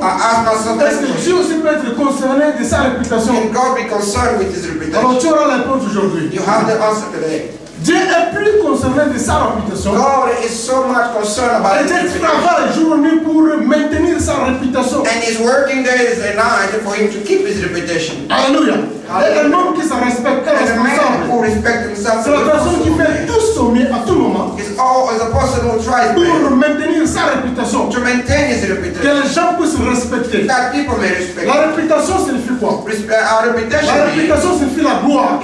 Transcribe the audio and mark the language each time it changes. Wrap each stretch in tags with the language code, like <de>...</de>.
<en>I asked myself.</en> <fr>Est-ce que Dieu aussi peut être concerné de sa réputation?</fr> <en>Can God be concerned with his reputation?</en> <fr>Alors, tu auras la réponse aujourd'hui.</fr> <en>You have the answer today.</en> <fr>Dieu est plus concerné de sa réputation.</fr> <en>God is so much concerned about it.</en> <fr>Et Dieu travaille jour et nuit pour maintenir sa réputation.</fr> <en>And he's working days and nights for him to keep his reputation.</en> <fr>Alléluia. Et un homme qui se respecte,</fr> <en>and a man who respects himself.</en> <fr>C'est la personne qui fait tout son mieux à tout moment.</fr> <en>It's always a person who tries</en> <fr>pour maintenir sa réputation.</fr> <en>To maintain his reputation.</en> <fr>Que les gens puissent respecter.</fr> <en>That people may respect.</en> <fr>La réputation signifie quoi?</fr> <en>Reputation.</en> <fr>La réputation signifie la gloire.</fr>